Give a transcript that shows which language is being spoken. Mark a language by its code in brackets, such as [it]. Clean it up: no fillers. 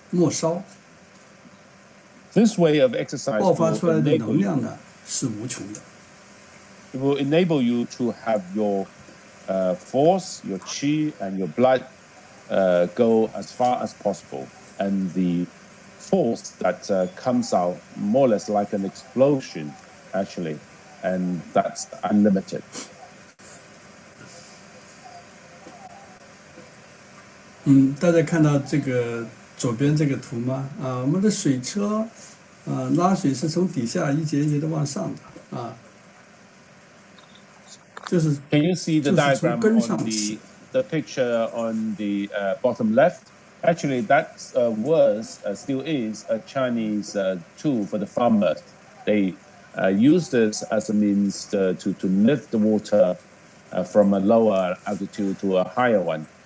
[zh] 因为这个这种练习可以把这个你的劲力或者说气血传递到这个最远的末梢。 [en] This way of exercise [zh] 爆发出来的能量呢是无穷的。 [en] It will enable you to have your force, your qi, and your blood go as far as possible, and the force that comes out more or less like an explosion, actually, and that's unlimited. [zh] 大家看到这个左边这个图吗？我们的水车，拉水是从底下一节一节的往上的，就是。 [en] Can you see the diagram on the the picture on the bottom left. Actually, that was, still is, a Chinese tool for the farmers. They use this as a means to lift the water from a lower altitude to a higher one.